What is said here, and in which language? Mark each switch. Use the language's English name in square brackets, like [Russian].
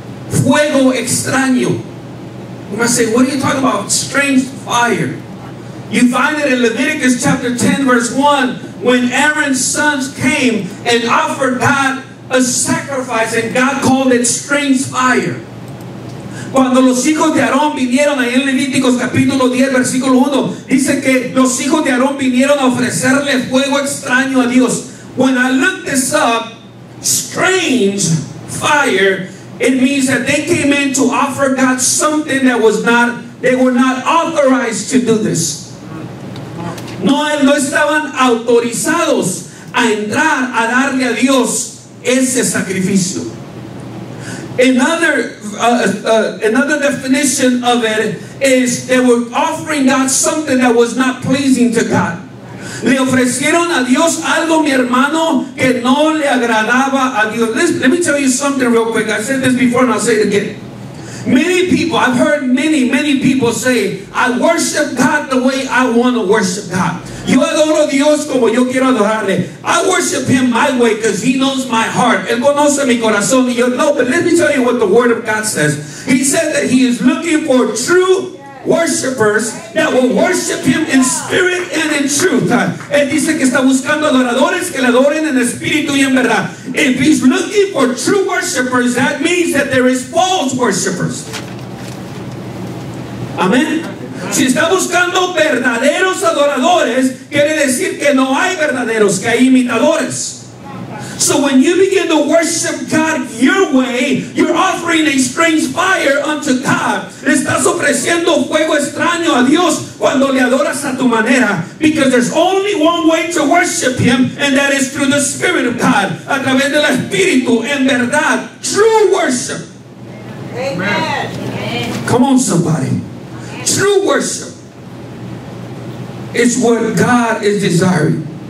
[Spanish] Fuego extraño. [English] You might say, what are you talking about? Strange fire. You find it in Leviticus chapter 10, verse 1, when Aaron's sons came and offered God a sacrifice, and God called it strange fire. [Spanish] Cuando los hijos de Aarón vinieron, ahí en Levíticos capítulo 10, versículo 1, dice que los hijos de Aarón vinieron a ofrecerle fuego extraño a Dios. [English] When I looked this up, strange fire, it means that they came in to offer God something that was not, they were not authorized to do this. [Spanish] No estaban autorizados a entrar a darle a Dios ese sacrificio. [English] Another definition of it is they were offering God something that was not pleasing to God. [Spanish] Le ofrecieron a Dios algo, mi hermano, que no le agradaba a Dios. [English] Let me tell you something real quick. I said this before and I'll say it again. Many people, I've heard many, many people say, I worship God the way I want to worship God. [Spanish] Yo adoro a Dios como yo quiero adorarle. [English] I worship Him my way because He knows my heart. [Spanish] Él conoce mi corazón. Y yo, no, [English] but let me tell you what the Word of God says. He said that He is looking for true worshipers that will worship Him in spirit and in truth. [Spanish] Él dice que está buscando adoradores que le adoren en espíritu y en verdad. [English] If He's looking for true worshipers, that means that there is false worshipers. Amen. [Spanish] Si está buscando verdaderos adoradores, quiere decir que no hay verdaderos, que hay imitadores. [English] So when you begin to worship God your way, you're offering a strange fire unto God. [Spanish] Estás ofreciendo fuego extraño a Dios cuando le adoras a tu manera. [English] Because there's only one way to worship Him, and that is through the Spirit of God. [Spanish] A través del Espíritu, en verdad, [English] true worship. Amen. Come on, somebody. True worship is what God is desiring.